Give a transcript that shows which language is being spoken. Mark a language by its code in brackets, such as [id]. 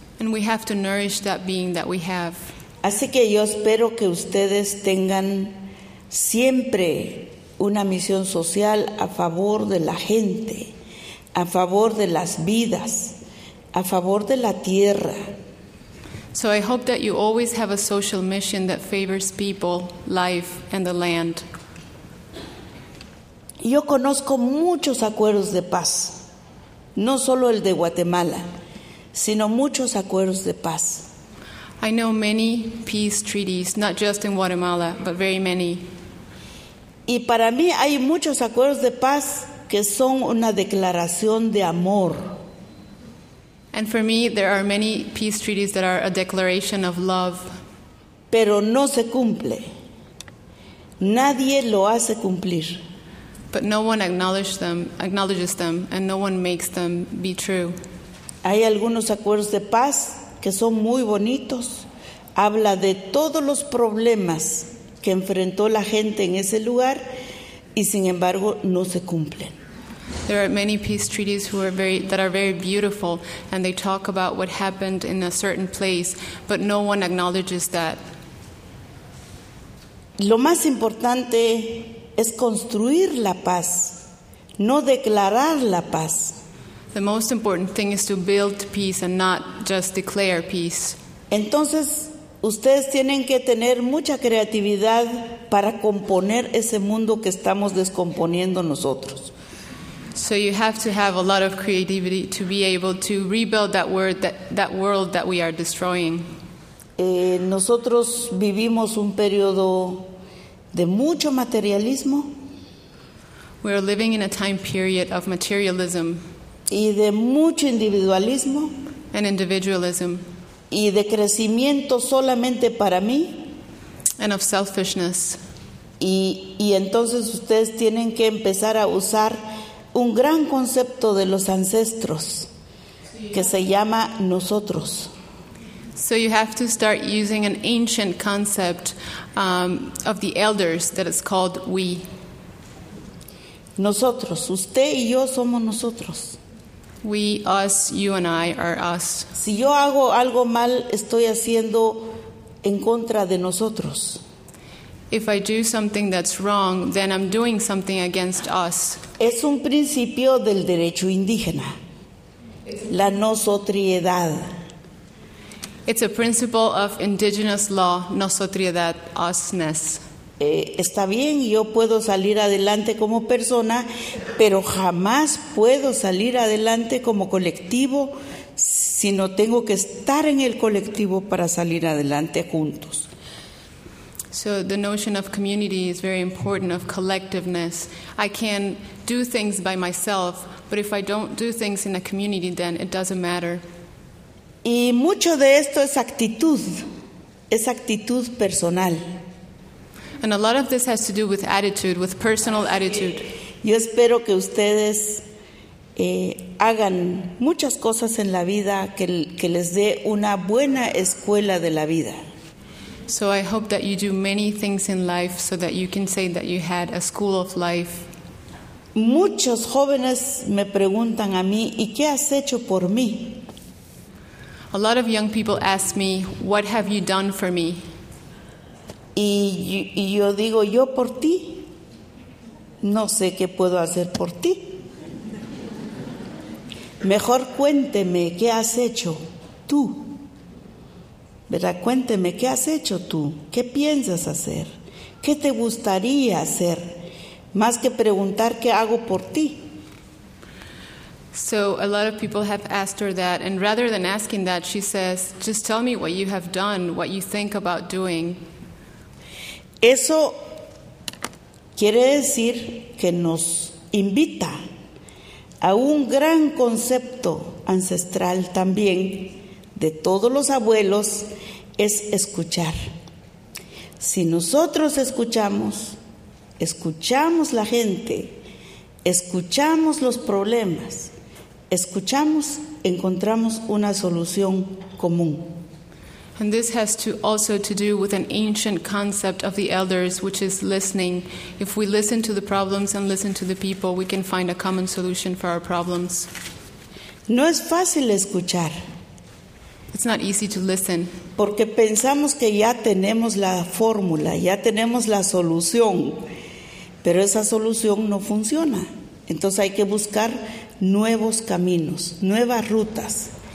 [en] And we have to nourish that being that we have. [es] Así que yo espero que ustedes tengan siempre una misión social a favor de la gente, a favor de las vidas, a favor de la tierra. [en] So I hope that you always have a social mission that favors people, life, and the land. [es] Yo conozco muchos acuerdos de paz, no solo el de Guatemala, sino muchos acuerdos de paz. [en] I know many peace treaties, not just in Guatemala, but very many. [es] Y para mí hay muchos acuerdos de paz que son una declaración de amor. [en] And for me, there are many peace treaties that are a declaration of love. [es] Pero no se cumple. Nadie lo hace cumplir. [en] But no one acknowledges them, and no one makes them be true. [es] Hay algunos acuerdos de paz que son muy bonitos. Habla de todos los problemas que enfrentó la gente en ese lugar, y sin embargo, no se cumplen. [en] There are many peace treaties that are very beautiful, and they talk about what happened in a certain place, but no one acknowledges that. [es] Lo más importante es construir la paz, no declarar la paz. [en] The most important thing is to build peace and not just declare peace. [es] Entonces, ustedes tienen que tener mucha creatividad para componer ese mundo que estamos descomponiendo nosotros. [en] So you have to have a lot of creativity to be able to rebuild that world that we are destroying. [es] Nosotros vivimos un periodo de mucho materialismo. [en] We are living in a time period of materialism. [es] Y de mucho individualismo. [en] And individualism. [es] Y de crecimiento solamente para mí. [en] And of selfishness. [es] Y entonces ustedes tienen que empezar a usar un gran concepto de los ancestros que se llama nosotros. [en] So you have to start using an ancient concept of the elders that is called we. [es] Nosotros, usted y yo somos nosotros. [en] We, us, you and I are us. [es] Si yo hago algo mal, estoy haciendo en contra de nosotros. [en] If I do something that's wrong, then I'm doing something against us. [es] Es un principio del derecho indígena, la nosotriedad. [en] It's a principle of indigenous law, nosotriedad, usness. [es] Está bien, yo puedo salir adelante como persona, pero jamás puedo salir adelante como colectivo, sino tengo que estar en el colectivo para salir adelante juntos. [en] So the notion of community is very important, of collectiveness. I can do things by myself, but if I don't do things in a community, then it doesn't matter. [es] Y mucho de esto es actitud personal. [en] And a lot of this has to do with attitude, with personal attitude. [es] Yo espero que ustedes hagan muchas cosas en la vida que les dé una buena escuela de la vida. [en] So I hope that you do many things in life so that you can say that you had a school of life. [es] Muchos jóvenes me preguntan a mí, ¿y qué has hecho por mí? [en] A lot of young people ask me, what have you done for me? [es] Y yo digo, yo por ti, no sé qué puedo hacer por ti. Mejor cuénteme, ¿qué has hecho tú? ¿Verdad? Cuénteme, ¿qué has hecho tú? ¿Qué piensas hacer? ¿Qué te gustaría hacer? Más que preguntar, ¿qué hago por ti? [en] So, a lot of people have asked her that, and rather than asking that, she says, just tell me what you have done, what you think about doing. [es] Eso quiere decir que nos invita a un gran concepto ancestral también, de todos los abuelos, es escuchar. Si nosotros escuchamos la gente, escuchamos los problemas, escuchamos, encontramos una solución común. [en] And this has to also to do with an ancient concept of the elders, which is listening. If we listen to the problems and listen to the people, we can find a common solution for our problems. [es] No es fácil escuchar. [en] It's not easy to listen. [es] Porque pensamos que ya tenemos la fórmula, ya tenemos la solución. Pero esa solución no funciona. Entonces hay que buscar nuevos caminos, nuevas rutas.